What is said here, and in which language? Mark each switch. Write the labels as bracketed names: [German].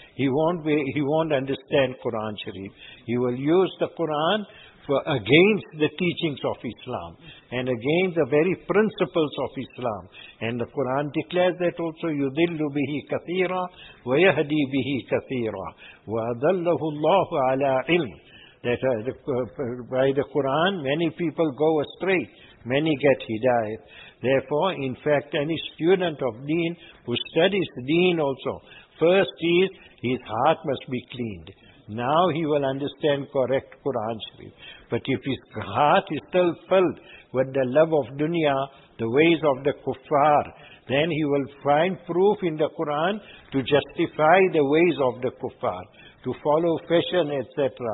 [English] He won't understand Quran Sharif. He will use the Quran against the teachings of Islam and against the very principles of Islam. And the Quran declares that also, [Arabic] يُذِلُّ بِهِ كَثِيرًا وَيَهْدِي بِهِ كَثِيرًا وَأَضَلَّهُ اللَّهُ عَلَىٰ عِلْمٍ. [English] That by the Quran, many people go astray. Many get hidayat. Therefore, in fact, any student of deen who studies deen also, first is his heart must be cleaned. Now he will understand correct Quran Sharif. But if his heart is still filled with the love of dunya, the ways of the kuffar, then he will find proof in the Quran to justify the ways of the kuffar, to follow fashion, etc.